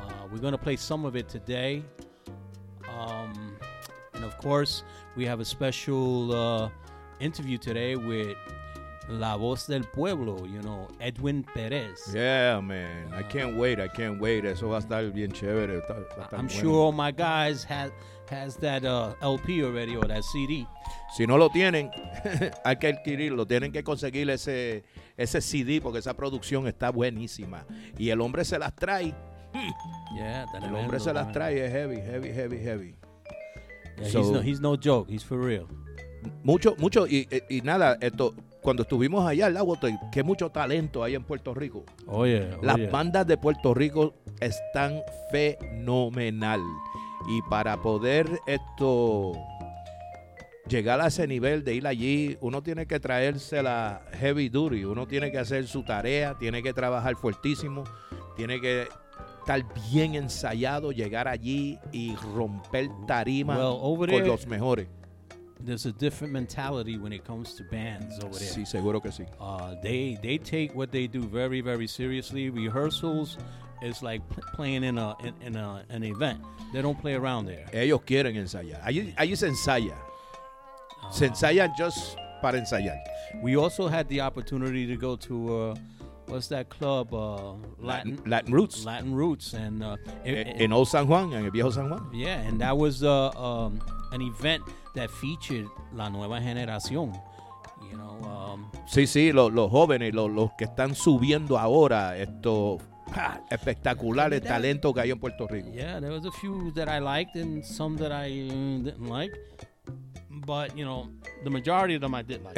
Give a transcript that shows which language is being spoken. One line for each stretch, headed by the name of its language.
English: We're going to play some of it today. And, of course, we have a special interview today with La Voz del Pueblo, you know, Edwin Perez. Yeah, man. I can't wait. I can't wait.
Spanish: Eso va a estar bien chévere.
English: I'm sure all my guys has that LP already, or that CD.
Spanish: Si no lo tienen, hay que adquirirlo. Tienen que conseguir ese CD porque esa producción está buenísima. Y el hombre se las trae. Yeah, tremendo. El hombre se las trae. Es heavy, heavy, heavy, heavy.
English: Yeah, so, he's no joke. He's for real.
Spanish: Mucho, mucho. Y nada, esto, cuando estuvimos allá al lago, qué mucho talento hay en Puerto Rico. Oye, las bandas de Puerto Rico están fenomenal. Y para poder esto llegar a ese nivel de ir allí, uno tiene que traerse la heavy duty, uno tiene que hacer su tarea, tiene que trabajar fuertísimo, tiene que estar bien ensayado, llegar allí y romper tarima con los mejores.
English: There's a different mentality when it comes to bands over there.
Spanish: Sí, seguro que sí.
English: They take what they do very, very seriously. Rehearsals is like playing in an event. They don't play around there.
Spanish: Ellos quieren ensayar. Allí se ensaya. Se ensaya just para ensayar.
English: We also had the opportunity to go to what's that club? Latin Roots. Latin Roots. And in Old San Juan,
Spanish: en el Viejo San Juan.
English: Yeah, and that was an event that featured La Nueva Generación, you know.
Spanish: Sí, sí, los jóvenes, los que están subiendo ahora, esto, espectacular, el talento que hay en Puerto Rico.
English: Yeah, there was a few that I liked and some that I didn't like, but, you know, the majority of them I did like.